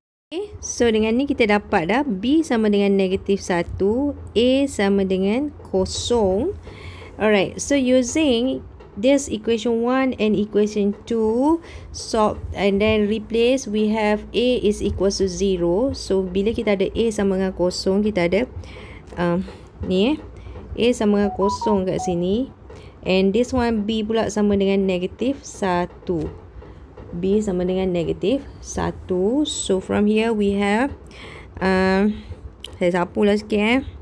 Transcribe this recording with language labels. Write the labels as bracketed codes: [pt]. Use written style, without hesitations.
[en] Okay, so [ms] dengan ni kita dapat dah b sama dengan negative 1, a sama dengan kosong. [en] Alright, so using this equation 1 and equation 2, solve and then replace, we have a is equals to 0. [ms] So bila kita ada a sama dengan kosong, kita ada ni eh, a sama dengan kosong kat sini. [en] And this one [ms] b pula sama dengan negative 1. B sama dengan negative 1. [en] So from here we have [ms] saya sapu lah sikit eh.